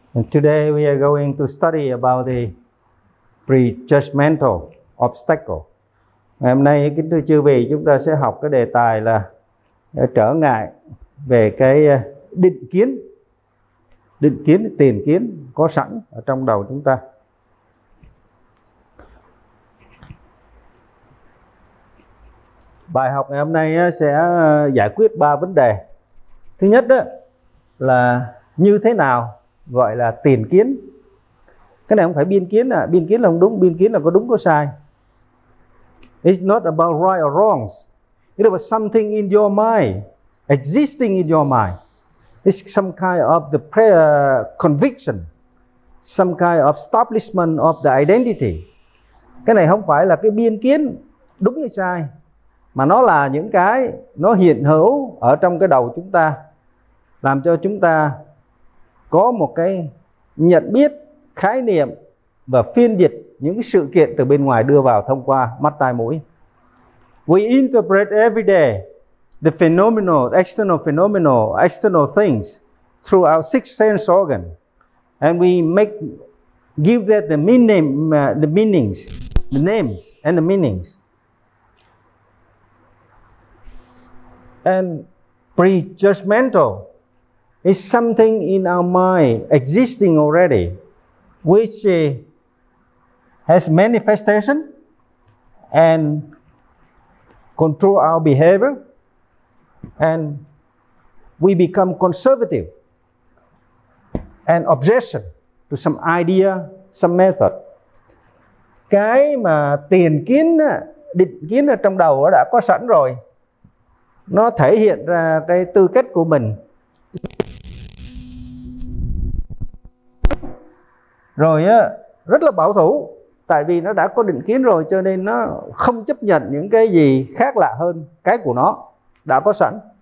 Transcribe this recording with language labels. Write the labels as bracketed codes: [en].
[en] Today we are going to study about the prejudgmental obstacle. [vi] Ngày hôm nay kính thưa chư vị, chúng ta sẽ học cái đề tài là trở ngại về cái định kiến tiền kiến có sẵn ở trong đầu chúng ta. Bài học ngày hôm nay sẽ giải quyết ba vấn đề. Thứ nhất là như thế nào gọi là tiền kiến. Cái này không phải biên kiến à. Biên kiến là không đúng. Biên kiến là có đúng có sai. [en] It's not about right or wrong. It's about something in your mind, existing in your mind. It's some kind of the prayer conviction, some kind of establishment of the identity. [vi] Cái này không phải là cái biên kiến đúng hay sai, mà nó là những cái nó hiện hữu ở trong cái đầu chúng ta, làm cho chúng ta có một cái nhận biết, khái niệm và phiên dịch những sự kiện từ bên ngoài đưa vào thông qua mắt tai mũi. [en] We interpret every day the phenomenal, external things through our six sense organ, and we give that the meanings. And prejudgmental is something in our mind existing already, which has manifestation and control our behavior, and we become conservative and obsession to some idea, some method. [vi] Cái mà tiền kiến, định kiến ở trong đầu đã có sẵn rồi, nó thể hiện ra cái tư cách của mình. Rồi rất là bảo thủ, tại vì nó đã có định kiến rồi, cho nên nó không chấp nhận những cái gì khác lạ hơn cái của nó đã có sẵn.